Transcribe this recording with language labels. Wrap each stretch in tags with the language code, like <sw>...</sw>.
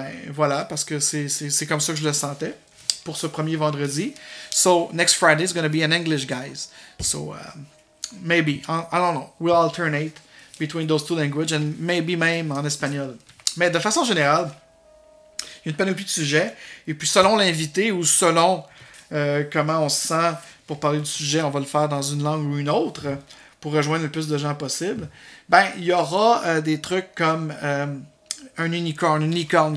<fr>Voilà, parce que c'est comme ça que je le sentais pour ce premier vendredi.</fr> <en>So, next Friday is going to be in English, guys. So, maybe, I don't know, we'll alternate between those two languages and maybe</en> <fr>même en espagnol. Mais de façon générale, il y a une panoplie de sujets. Et puis, selon l'invité ou selon comment on se sent pour parler du sujet, on va le faire dans une langue ou une autre pour rejoindre le plus de gens possible. Ben, il y aura des trucs comme un unicorn.</fr>